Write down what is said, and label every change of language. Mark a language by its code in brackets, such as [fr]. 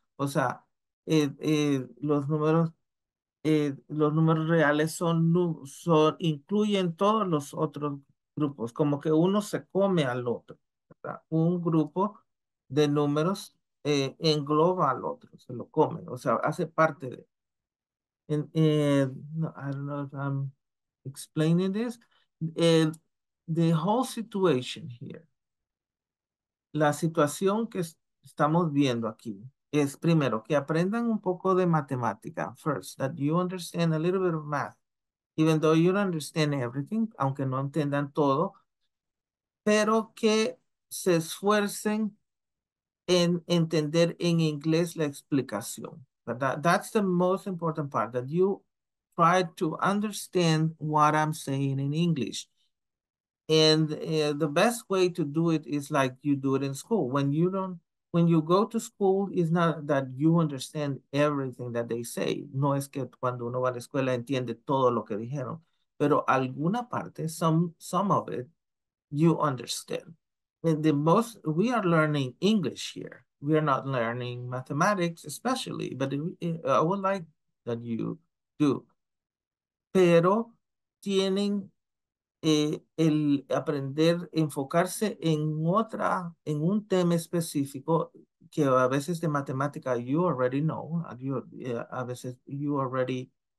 [es] O sea, los números reales son incluyen todos los otros grupos, como que uno se come al otro, ¿verdad? Un grupo de números engloba al otro, se lo comen, o sea, hace parte de. [en] No, I don't know if I'm explaining this. The whole situation here, [es] la situación que estamos viendo aquí, es primero que aprendan un poco de matemática, [en] first, that you understand a little bit of math. Even though you don't understand everything, [es] aunque no entiendan todo, pero que se esfuercen en entender en inglés la explicación, ¿verdad? [en] That's the most important part, that you try to understand what I'm saying in English. And the best way to do it is like you do it in school. When you go to school, it's not that you understand everything that they say. [es] No es que cuando uno va a la escuela entiende todo lo que dijeron. Pero alguna parte, [en] some of it, you understand. And the most, we are learning English here. We are not learning mathematics especially, but I would like that you do. [es] Pero tienen el aprender, enfocarse en otra, en un tema específico que a veces de matemática [en] you already know, [es] a veces [en] you already,